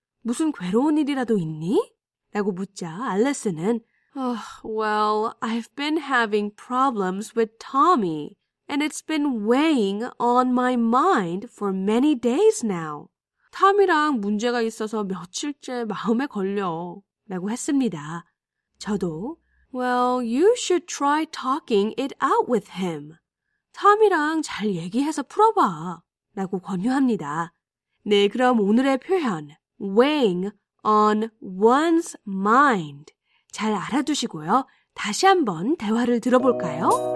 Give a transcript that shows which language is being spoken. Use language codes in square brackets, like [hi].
[ko] 무슨 괴로운 일이라도 있니? 라고 묻자 알리스는 [en] oh, Well, I've been having problems with Tommy and it's been weighing on my mind for many days now. [ko] 탐이랑 문제가 있어서 며칠째 마음에 걸려 라고 했습니다. 저도 [en] Well, you should try talking it out with him. [ko] 탐이랑 잘 얘기해서 풀어봐. 라고 권유합니다. 네, 그럼 오늘의 표현, [en] weighing on one's mind. [ko] 잘 알아두시고요. 다시 한번 대화를 들어볼까요?